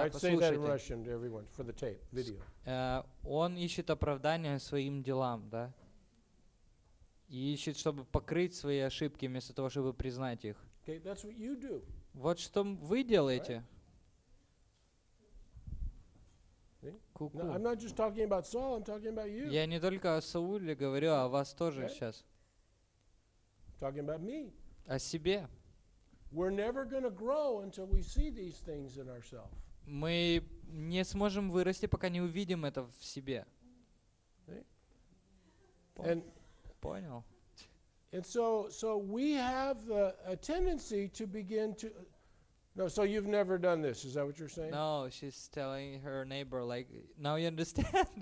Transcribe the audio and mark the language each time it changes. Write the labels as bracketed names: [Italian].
[English] right, say that in Russian to everyone for the tape, video. [Russian] Он ищет оправдание своим делам, да? И ищет, чтобы покрыть свои ошибки, вместо того, чтобы признать их. [English] Okay, that's what you do. [Russian] Вот что вы делаете. [English] No, I'm not just talking about Saul, I'm talking about you. [Russian] Я не только о Сауле говорю, а о вас тоже сейчас. [English] Talking about me. [Russian] О себе. [English] We're never going to grow until we see these things in ourselves. [Russian] Мы не сможем вырасти, пока не увидим это в себе. Понял. [English] And so we have a tendency to begin to... No, so you've never done this. Is that what you're saying? No, she's telling her neighbor, like, now you understand.